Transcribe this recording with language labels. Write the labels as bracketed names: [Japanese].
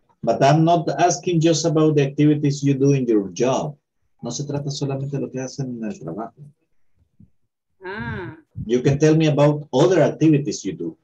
[English] but I'm not asking just about the activities you do in your job. [Spanish] No se trata solamente de lo que hacen en el trabajo. Ah. [English] You can tell me about other activities you do.